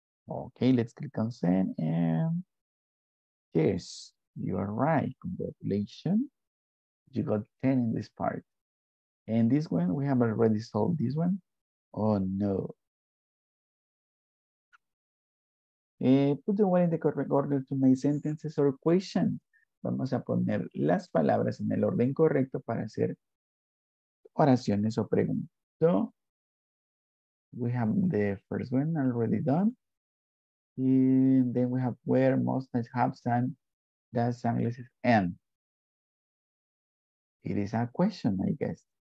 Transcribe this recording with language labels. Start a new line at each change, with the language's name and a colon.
English: Okay, let's click on send and yes, you are right. Congratulations. You got 10 in this part. And this one, we have already solved this one. Oh no. Put the word in the correct order to make sentences or questions.
Spanish: Vamos a poner las palabras en el orden correcto para hacer oraciones o preguntas.
English: So, we have the first one already done. And then we have where, most, have, some, that, some, English, and. It is a question, I guess.